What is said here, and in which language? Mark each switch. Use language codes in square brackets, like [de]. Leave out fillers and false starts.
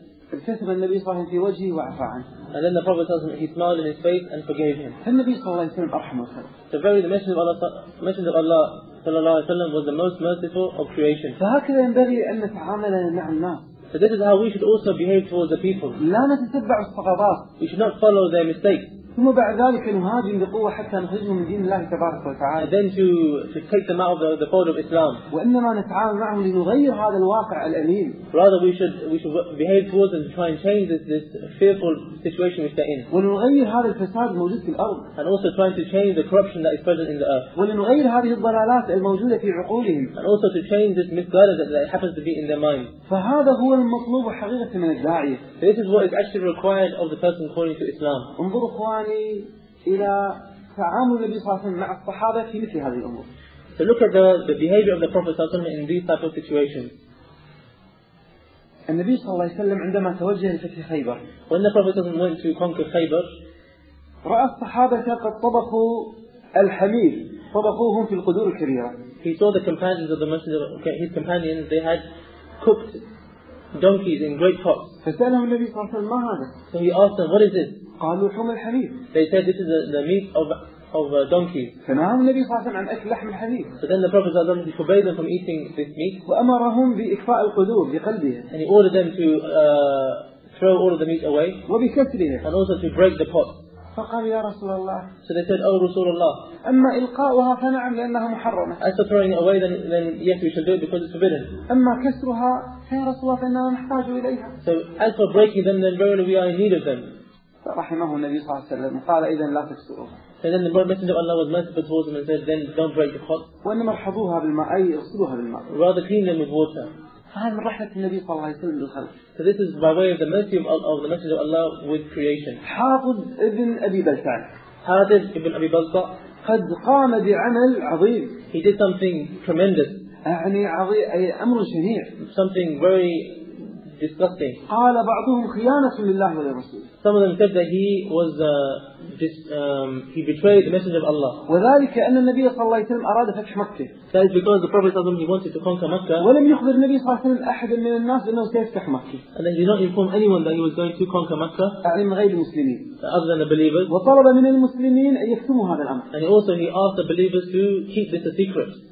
[ar] فابتسم النبي صلى الله عليه وسلم في وجهه وعفى عنه. [en] And then the Prophet [ar] صلى الله عليه وسلم [en] he smiled in his face and forgave him. [ar] فالنبي صلى الله عليه وسلم أرحم الخلق. [en] So verily the Messenger of Allah [ar] صلى الله عليه وسلم [en] was the most merciful of creation. [ar] فهكذا ينبغي أن نتعامل مع الناس. [en] So this is how we should also behave towards the people. [ar] لا نتتبع السقطات. [en] We should not follow their mistakes. [ar] ثم بعد ذلك نهاجم بقوة حتى نخرجهم من دين الله تبارك وتعالى. [en] And then to take them out of the fold of Islam. [ar] وإنما نتعامل معهم لنغير هذا الواقع الأليم. [en] Rather we should behave towards them to try and change this fearful situation which they're in. [ar] ولنغير هذا الفساد الموجود في الأرض. [en] And also trying to change the corruption that is present in the earth. [ar] ولنغير هذه الضلالات الموجودة في عقولهم. [en] And also to change this misguidance that happens to be in their mind. [ar] فهذا هو المطلوب حقيقة من الداعية. [en] This is what is actually required of the person calling to Islam. [ar] إلى تعامل النبي صلى الله عليه وسلم مع الصحابة في مثل هذه الأمور. [en] So look at the behavior of the Prophet [ar] صلى الله عليه وسلم [en] in these type of situations. [ar] النبي صلى الله عليه وسلم عندما توجه لفتح خيبر. [en] When the Prophet [ar] صلى الله عليه وسلم [en] went to conquer Khaybar. [ar] رأى الصحابة قد طبخوا الحمير. طبخوهم في القدور الكبيرة. [en] He saw the companions of the Messenger, his companions, they had cooked donkeys in great pots. [ar] فسألهم النبي صلى الله عليه وسلم ما هذا؟ [en] So he asked them, what is this? [ar] قالوا لحم الحليب. [en] They said this is the meat of donkey. [ar] فنهاهم النبي صلى الله عليه وسلم عن أكل لحم الحليب. [en] So then the Prophet [ar] صلى الله عليه وسلم [en] forbade them from eating this meat. [ar] وأمرهم بإخفاء القدور بقلبه. [en] And he ordered them to throw all of the meat away. [ar] وبكسره. [en] And also to break the pot. [ar] فقال يا رسول الله. [en] So they said, oh [ar] رسول الله. أما إلقاؤها فنعم لأنها محرمة. [en] As for throwing away, then yes, we should do it because it's forbidden. [ar] أما كسرها فيا رسول الله فإننا نحتاج إليها. [en] So as for breaking them, then verily we are in need of them. [ar] فرحمه النبي صلى الله عليه وسلم قال إذا لا تكسروها. [en] So then the Messenger of Allah was merciful towards them and said, then don't break the pot. [ar] وإنما ارحضوها بالماء أي اغسلوها بالماء. [en] Rather clean them with water. [ar] فهذا من رحمة النبي صلى الله عليه وسلم بالخلق. [en] So this is by way of the mercy of the Messenger of Allah with creation. [ar] حافظ ابن أبي بلتع. حافظ ابن أبي بلتع. قد قام بعمل عظيم. [en] He did something tremendous. [ar] يعني عظيم أي أمر شنيع. [en] Something very disgusting. [ar] قال بعضهم خيانة لله ولرسوله. [en] Some of them said that he was he betrayed the Messenger of Allah. [ar] وذلك أن النبي صلى الله عليه وسلم أراد فتح مكة. [en] That is because the Prophet [ar] صلى الله عليه وسلم [en] wanted to conquer Mecca. [ar] ولم يخبر النبي صلى الله عليه وسلم أحد من الناس أنه سيفتح مكة. [en] And then he did not inform anyone that he was going to conquer Mecca. [ar] أعني من غير المسلمين. [en] Other than the believers. [ar] وطلب من المسلمين أن يكتموا هذا الأمر. [en] And also he asked the believers to keep this a secret.